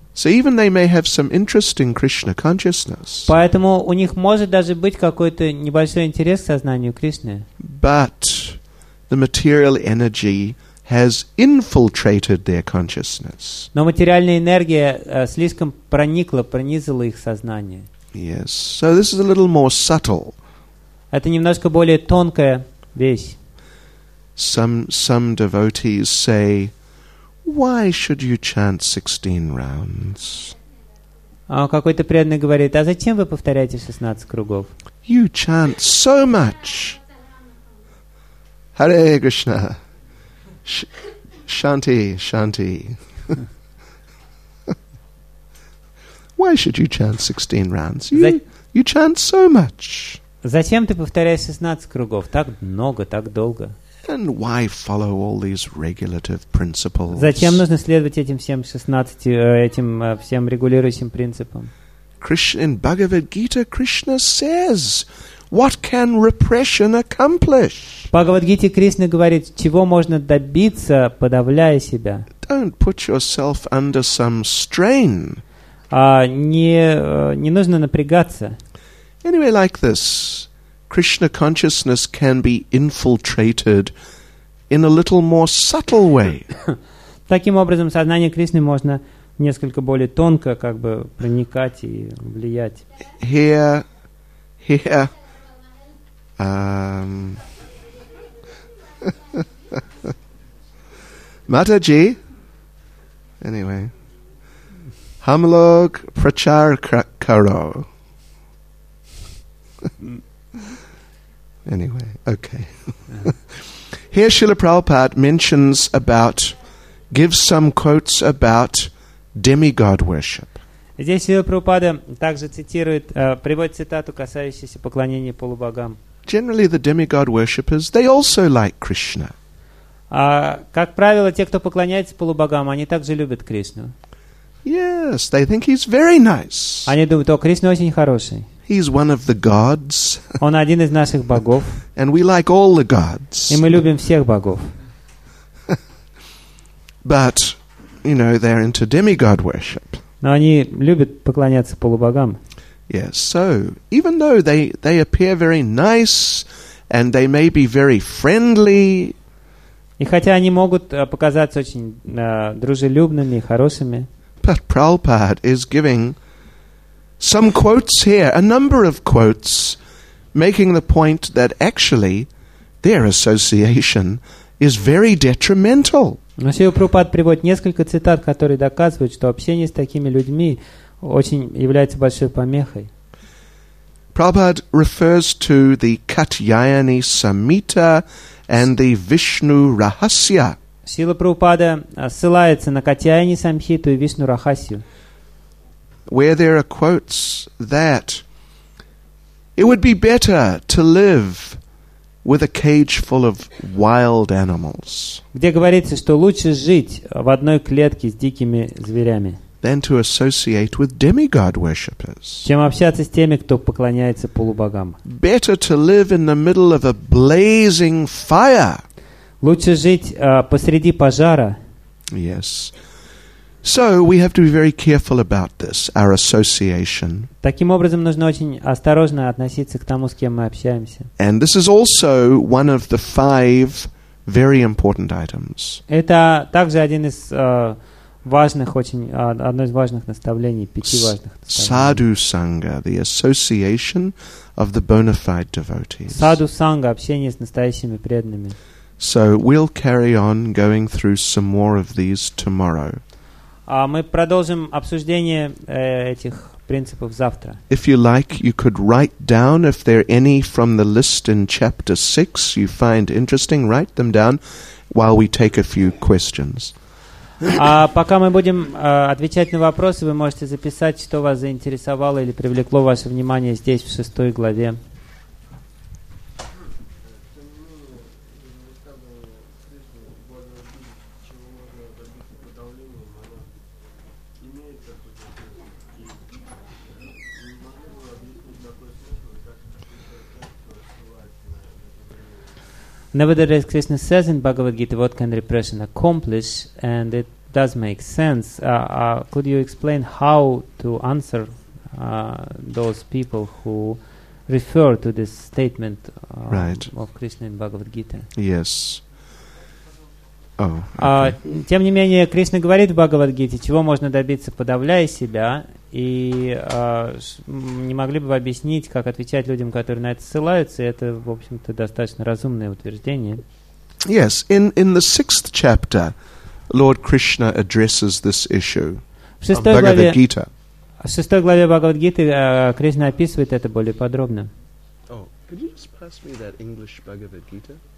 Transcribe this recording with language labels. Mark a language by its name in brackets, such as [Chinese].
[English] So even they may have some interest in Krishna consciousness. [Russian] Поэтому у них может даже быть какой-то небольшой интерес к сознанию Кришны. [English] But the material energy has infiltrated their consciousness. [Russian] Но материальная энергия слишком проникла, пронизала их сознание. [English] Yes. So this is a little more subtle. [Russian] Это немножко более тонкая вещь. [English] Some devotees say, why should you chant 16 rounds? [Russian] А какой-то преданный говорит, а зачем вы повторяете 16 кругов? [English] You chant so much. Hare Krishna. [Sanskrit] Shanti, Shanti. [English] Why should you chant 16 rounds? You chant so much. [Russian] Зачем ты повторяешь 16 кругов? Так много, так долго. [English] And why follow all these regulative principles? [Russian] Зачем нужно следовать этим всем 16 этим всем регулирующим принципам? [English] In Bhagavad Gita Krishna says, what can repression accomplish? [Russian] В Бхагавад-гите Кришна говорит, чего можно добиться, подавляя себя? [English] Don't put yourself under some strain. [Russian] Не нужно напрягаться. [English] Anyway, like this. Krishna consciousness can be infiltrated in a little more subtle way. [Russian] Таким образом, сознание Кришны можно несколько более тонко как бы проникать и влиять. [English] Here, Mataji. [Hindi] Anyway, Hamlog Prachar Karo. [English] Anyway, okay. Here Srila Prabhupada mentions about, gives some quotes about demigod worship. [Russian] Здесь Srila Prabhupada также цитирует, приводит цитату, касающуюся поклонения полубогам. [English] Generally, the demigod worshippers, they also like Krishna. [Russian] Как правило, те, кто поклоняется полубогам, они также любят Кришну. [English] Yes, they think he's very nice. [Russian] Они думают, о, Кришна очень хороший. [English] He's one of the gods. [Russian] Он один из наших богов. [English] And we like all the gods. [Russian] И мы любим всех богов. [English] But, you know, they're into demigod worship. [Russian] Но они любят поклоняться полубогам. [English] Yes. So, even though they appear very nice and they may be very friendly, [Russian] и хотя они могут показаться очень дружелюбными и хорошими, [English] but Prabhupada is giving some quotes here, a number of quotes, making the point that actually their association is very detrimental. [Russian] Но Сива Прабхупад приводит несколько цитат, которые доказывают, что общение с такими людьми очень является большой помехой. [English] Prabhupada refers to the Katyayani Samhita and the Vishnu Rahasya. [Russian] Сила Прабхупада ссылается на Катьяяни Самхиту и Вишну Рахасию. [English] Where there are quotes that it would be better to live with a cage full of wild animals. [Russian] Где говорится, что лучше жить в одной клетке с дикими зверями. [English] than to associate with demigod worshippers. [Russian] Чем общаться с теми, кто поклоняется полубогам. [English] Better to live in the middle of a blazing fire. [Russian] Лучше жить посреди пожара. [English] Yes. So we have to be very careful about this, our association. [Russian] Таким образом, нужно очень осторожно относиться к тому, с кем мы общаемся. [English] And this is also one of the five very important items. [Russian] Это также один из важных, очень одно из важных наставлений, пяти важных наставлений. [English] Sadhu Sangha, the association of the bona fide devotees. [Russian] Sadhu Sangha, общение с настоящими преданными. [English] So we'll carry on going through some more of these tomorrow. [Russian] Мы продолжим обсуждение этих принципов завтра. [English] If you like, you could write down if there are any from the list in chapter 6 you find interesting, write them down while we take a few questions. [Russian] Пока мы будем отвечать на вопросы, вы можете записать, что вас заинтересовало или привлекло ваше внимание здесь, в 6 главе. [English] Nevertheless, Krishna says in Bhagavad Gita, what can repression accomplish? And it does make sense. Could you explain how to answer those people who refer to this statement of Krishna in Bhagavad Gita? Yes. [Russian] Тем не менее, Кришна говорит в Бхагавад Гите, чего можно добиться, подавляя себя, и не могли бы вы объяснить, как отвечать людям, которые на это ссылаются, и это, в общем-то, достаточно разумное утверждение. [English] Yes, in the sixth chapter, Lord Krishna addresses this issue of Bhagavad Gita. [Russian] В шестой главе Бхагавад Гиты Кришна описывает это более подробно. [English] Oh, could you just pass me that English Bhagavad Gita?